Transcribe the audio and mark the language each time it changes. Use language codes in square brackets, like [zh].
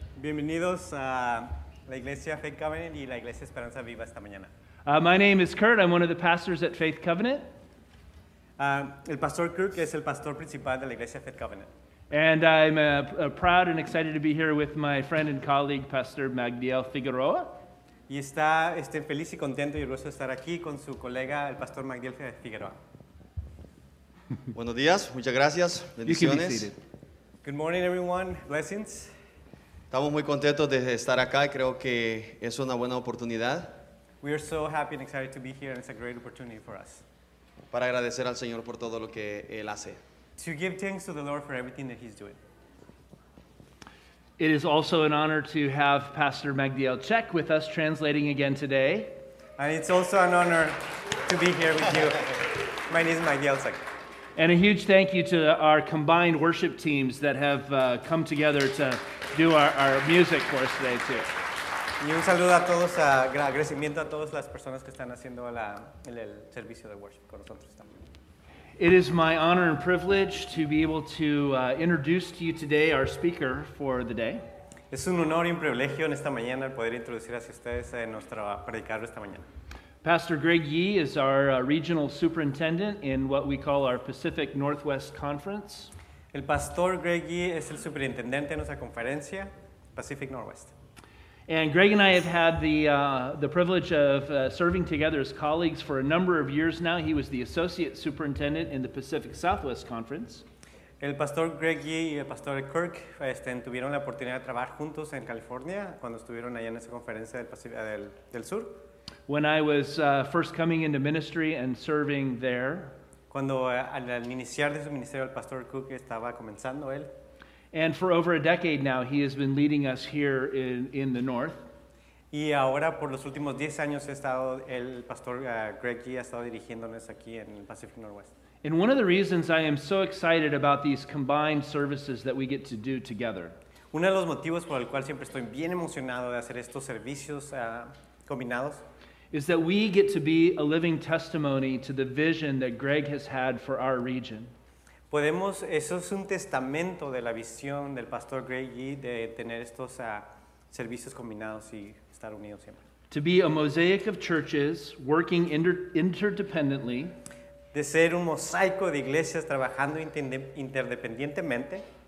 [es] Bienvenidos a la Iglesia Faith Covenant y la Iglesia Esperanza Viva esta mañana. [en] My name is Kurt. I'm one of the pastors at Faith Covenant. [es] El pastor Kurt es el pastor principal de la Iglesia Faith Covenant. [en] And I'm proud and excited to be here with my friend and colleague, Pastor Magdiel Figueroa. [es] Y está feliz y contento y orgulloso de estar aquí con su colega, el pastor Magdiel Figueroa. Buenos días, muchas gracias, bendiciones. [en] Good morning, everyone. Blessings. [es] Estamos muy contentos de estar acá. Creo que es una buena oportunidad. [en] We are so happy and excited to be here, and it's a great opportunity for us. [es] Para agradecer al Señor por todo lo que Él hace. [en] To give thanks to the Lord for everything that He's doing. It is also an honor to have Pastor Magdiel Check with us translating again today. And it's also an honor to be here with you. My name is Magdiel Check. And a huge thank you to our combined worship teams that have come together to do our music for us today too. [es] Y un saludo a todos, agradecimiento a todas las personas que están haciendo el servicio de worship con nosotros también. [en] It is my honor and privilege to be able to introduce to you today our speaker for the day. [es] Es un honor y un privilegio en esta mañana poder introducir a ustedes a nuestro predicador esta mañana. [en] Pastor Greg Yee is our regional superintendent in what we call our Pacific Northwest Conference. [es] El pastor Greg Yee es el superintendente de nuestra conferencia, Pacific Northwest. [en] And Greg and I have had the privilege of serving together as colleagues for a number of years now. He was the associate superintendent in the Pacific Southwest Conference. [es] El pastor Greg Yee y el pastor Kirk tuvieron la oportunidad de trabajar juntos en California cuando estuvieron allá en esa conferencia del sur. [en] When I was first coming into ministry and serving there, [es] cuando al iniciar de su ministerio el pastor Cook estaba comenzando él. [en] And for over a decade now, he has been leading us here in the north. [es] Y ahora por los últimos 10 años ha estado el pastor Greg Yee ha estado dirigiéndonos aquí en el Pacific Northwest. [en] And one of the reasons I am so excited about these combined services that we get to do together. [es] Uno de los motivos por el cual siempre estoy bien emocionado de hacer estos servicios combinados. [en] Is that we get to be a living testimony to the vision that Greg has had for our region. [es] Podemos, eso es un testamento de la visión del pastor Greg Yee de tener estos servicios combinados y estar unidos siempre. [en] To be a mosaic of churches working interdependently. [es] De ser un mosaico de iglesias trabajando interdependientemente.